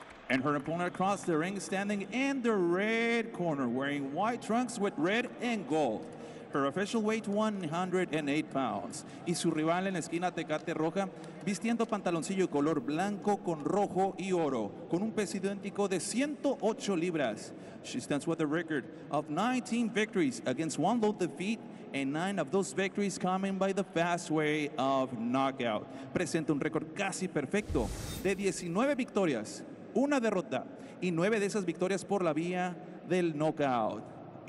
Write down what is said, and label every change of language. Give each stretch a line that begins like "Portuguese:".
English: And her opponent across the ring, standing in the red corner, wearing white trunks with red and gold. Her official weight, 108 pounds.
Spanish: Y su rival en la esquina, Tecate Roja, vistiendo pantaloncillo color blanco con rojo y oro, con un peso idéntico de 108 libras.
English: She stands with a record of 19 victories against one lone defeat, and 9 of those victories coming by the fast way of knockout.
Spanish: Presenta un récord casi perfecto de 19 victorias, una derrota, y 9 de esas victorias por la vía del knockout.